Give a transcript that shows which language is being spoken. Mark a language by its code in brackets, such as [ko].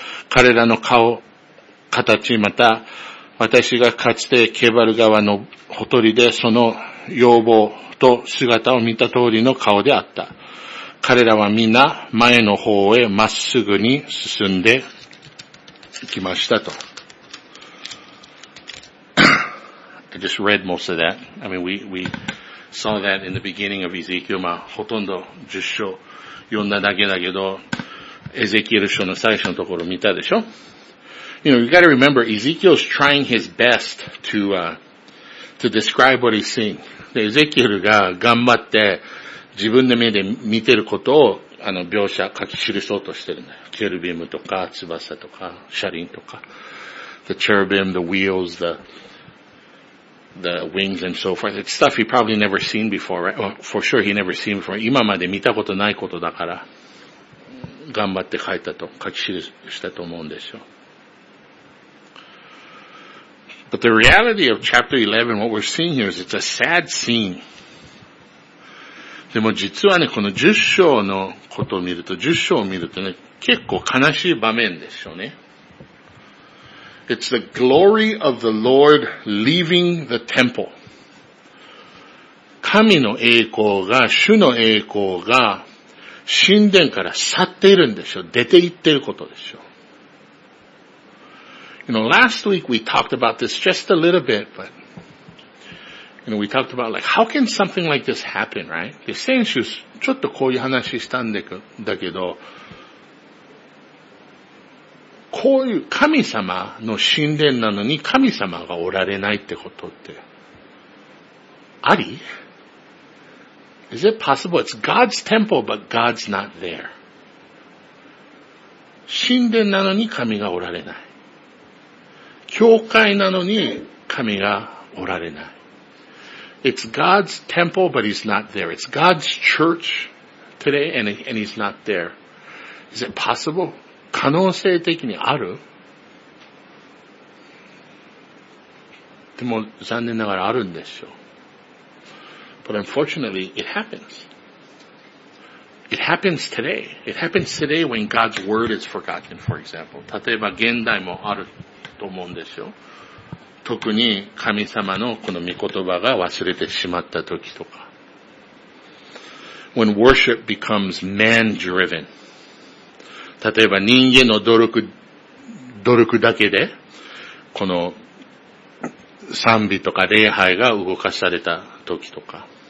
[ja] 彼らの顔、形、また、私がかつてケバル川のほとりで、その容貌と姿を見た通りの顔であった。彼らはみんな前の方へまっすぐに進んでいきましたと。 [en] I just read most of that. I mean, we saw that in the beginning of Ezekiel. [ja] まあ、ほとんど十章読んだだけだけど、エゼキエル書の最初のところ見たでしょ。 [en] You know, you gotta remember, Ezekiel's trying his best to describe what he's seeing. [ja] で、エゼキエルが頑張って、自分の目で見てることを、描写、書き記そうとしてるんだよ。ケルビムとか、翼とか、車輪とか。 [en] The cherubim, the wheels, the wings and so forth. It's stuff he probably never seen before, right? Well, for sure he never seen before. [ja] 今まで見たことないことだから、頑張って書いたと、書き記したと思うんですよ。 [en] But the reality of chapter 11, what we're seeing here is it's a sad scene. [ja] でも実はね、この10章のことを見ると、10章を見るとね、結構悲しい場面でしょうね。 [en] It's the glory of the Lord leaving the temple. [ja] 神の栄光が、主の栄光が、神殿から去っているんでしょう。出て行っていることでしょう。 [en] You know, last week we talked about this just a little bit, but... You know, we talked about like, how can something like this happen, right? [ja] で、先週、ちょっとこういう話したんだけど、こういう神様の神殿なのに神様がおられないってことって、あり？ [en] Is it possible? It's God's temple, but God's not there. [ja] 神殿なのに神がおられない。教会なのに神がおられない。 [en] It's God's temple, but he's not there. It's God's church today, and he's not there. Is it possible? [ja] 可能性的にある？でも残念ながらあるんでしょう。 [en] But unfortunately, it happens. It happens today. It happens today when God's word is forgotten, for example. [ja] 例えば現代もあると思うんでしょう。特に神様のこの御言葉が忘れてしまった時とか。 [en] When worship becomes man-driven. [ja] 例えば人間の努力だけで、この賛美とか礼拝が動かされた時とか。